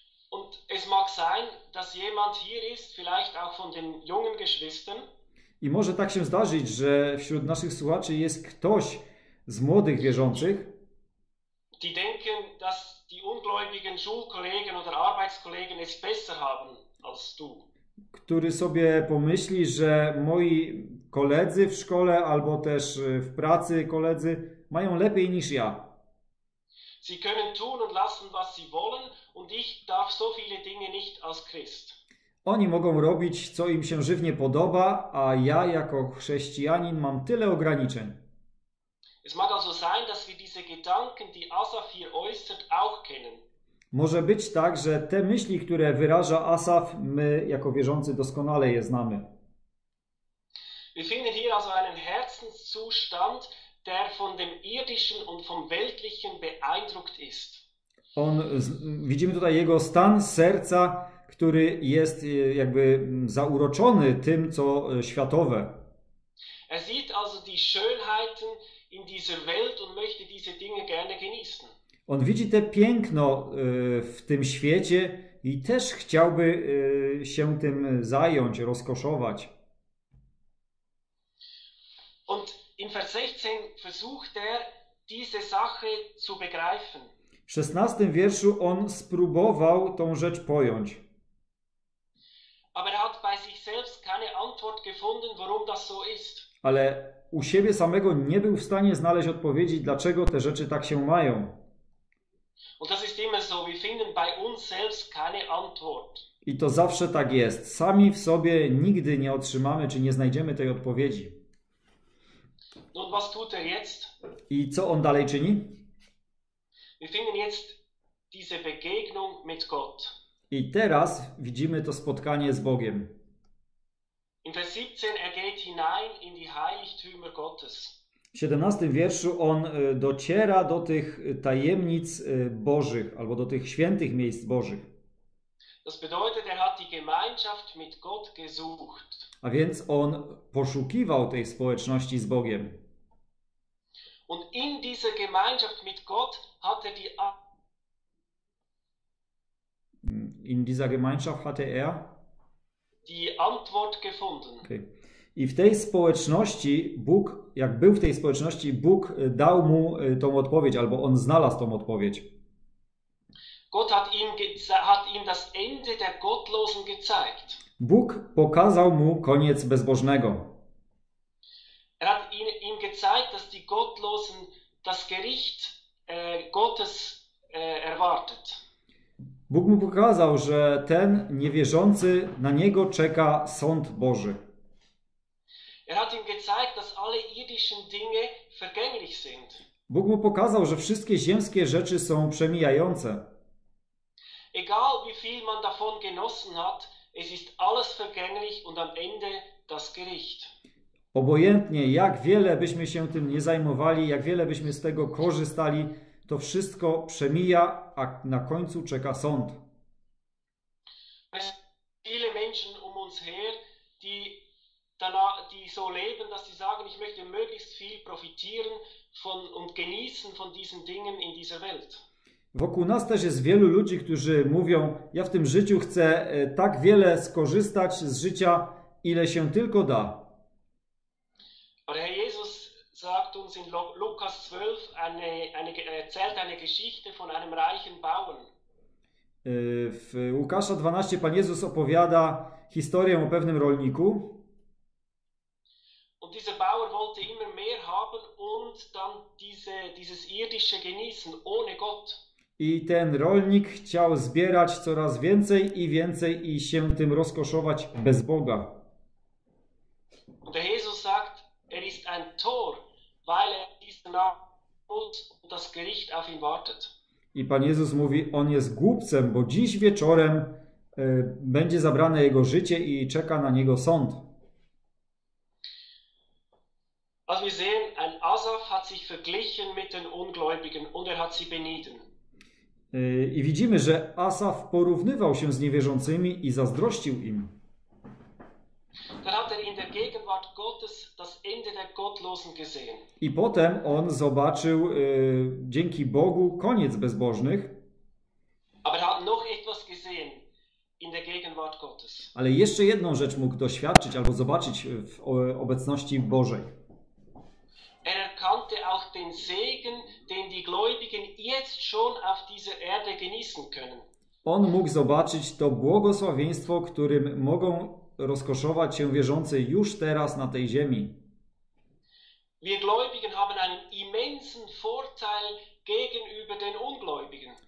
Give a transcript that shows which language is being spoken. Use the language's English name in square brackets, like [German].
[German] Und es mag sein, dass jemand hier ist, vielleicht auch von den jungen Geschwistern. [Polish] I może tak się zdarzyć, że wśród naszych słuchaczy jest ktoś z młodych wierzących. [German] Die denken, dass die ungläubigen Schulkollegen oder Arbeitskollegen es besser haben als du. [Polish] Który sobie pomyśli, że moi koledzy w szkole albo też w pracy koledzy mają lepiej niż ja. [German] Sie können tun und lassen, was sie wollen und ich darf so viele Dinge nicht als Christ. [Polish] Oni mogą robić, co im się żywnie podoba, a ja jako chrześcijanin mam tyle ograniczeń. [German] Es mag also sein, dass wir diese Gedanken, die Asaf hier äußert, auch kennen. [Polish] Może być tak, że te myśli, które wyraża Asaf, my jako wierzący doskonale je znamy. [German] Wir finden hier also einen Herzenszustand, der von dem irdischen und vom weltlichen beeindruckt ist. [Polish] On, widzimy tutaj jego stan serca, który jest jakby zauroczony tym, co światowe. [German] Er sieht also die Schönheiten in dieser Welt und möchte diese Dinge gerne genießen. [Polish] On widzi te piękno w tym świecie i też chciałby się tym zająć, rozkoszować. [German] Und in Vers 16 versucht er diese Sache zu begreifen. [Polish] W 16 wierszu on spróbował tą rzecz pojąć. [German] Aber er hat bei sich selbst keine Antwort gefunden, warum das so ist. [Polish] Ale u siebie samego nie był w stanie znaleźć odpowiedzi, dlaczego te rzeczy tak się mają. [German] Und das ist immer so, wir finden bei uns selbst keine Antwort. [Polish] I to zawsze tak jest. Sami w sobie nigdy nie otrzymamy, czy nie znajdziemy tej odpowiedzi. [German] Nun, was tut jetzt? [Polish] I co on dalej czyni? [German] Wir finden jetzt diese Begegnung mit Gott. [Polish] I teraz widzimy to spotkanie z Bogiem. [German] In Vers 17 er geht hinein in die Heiligtümer Gottes. [Polish] W 17 wierszu on dociera do tych tajemnic Bożych, albo do tych świętych miejsc Bożych. [German] Das bedeutet, er hat die Gemeinschaft mit Gott gesucht. [Polish] A więc on poszukiwał tej społeczności z Bogiem. [German] Und in dieser Gemeinschaft mit Gott hat er die In dieser Gemeinschaft hatte er die Antwort gefunden. Okay. [Polish] I w tej społeczności Bóg, jak był w tej społeczności, Bóg dał mu tą odpowiedź, albo on znalazł tą odpowiedź. [German] Gott hat ihm das Ende der Gottlosen gezeigt. [Polish] Bóg pokazał mu koniec bezbożnego. [German] Er hat ihm gezeigt, dass die Gottlosen das Gericht Gottes erwartet. [Polish] Bóg mu pokazał, że ten niewierzący na niego czeka sąd Boży. [German] Er hat ihm gezeigt, dass alle irdischen Dinge vergänglich sind. [Polish] Bóg mu pokazał, że wszystkie ziemskie rzeczy są przemijające. [German] Egal wie viel man davon genossen hat, es ist alles vergänglich und am Ende das Gericht. [Polish] Obojętnie jak wiele byśmy się tym nie zajmowali, jak wiele byśmy z tego korzystali, to wszystko przemija, a na końcu czeka sąd. [German] Es gibt viele Menschen um uns her, die so leben, dass sie sagen, ich möchte möglichst viel profitieren von und genießen von diesen Dingen in dieser Welt. [Polish] Wokół nas też jest wielu ludzi, którzy mówią, ja w tym życiu chcę tak wiele skorzystać z życia, ile się tylko da. Ale [German] Herr Jesus sagt uns in Lukas 12 erzählt eine Geschichte von einem reichen Bauern. [Polish] W Łukasza 12 Pan Jezus opowiada historię o pewnym rolniku. [German] Und dieser Bauer wollte immer mehr haben und dann dieses irdische genießen ohne Gott. [Polish] I ten rolnik chciał zbierać coraz więcej i więcej i się tym rozkoszować bez Boga. [German] Und der Jesus sagt, er ist ein Tor, weil er diesen Abend und das Gericht auf ihn wartet. [Polish] I Pan Jezus mówi, on jest głupcem, bo dziś wieczorem będzie zabrane jego życie i czeka na niego sąd. [German] Also wir sehen, ein Asaf hat sich verglichen mit den Ungläubigen und er hat sie benieden. [Polish] I widzimy, że Asaf porównywał się z niewierzącymi i zazdrościł im. [German] Dann hat er in der Gegenwart Gottes das Ende der Gottlosen gesehen. [Polish] I potem on zobaczył dzięki Bogu koniec bezbożnych. [German] Aber er hat noch etwas gesehen in der Gegenwart Gottes. [Polish] Ale jeszcze jedną rzecz mógł doświadczyć albo zobaczyć w obecności Bożej. [German] Er erkannte auch den Segen, den die Gläubigen jetzt schon auf dieser Erde genießen können. [Polish] On mógł zobaczyć to błogosławieństwo, którym mogą rozkoszować się wierzący już teraz na tej ziemi. [German] Wir Gläubigen haben einen immensen Vorteil gegenüber den Ungläubigen.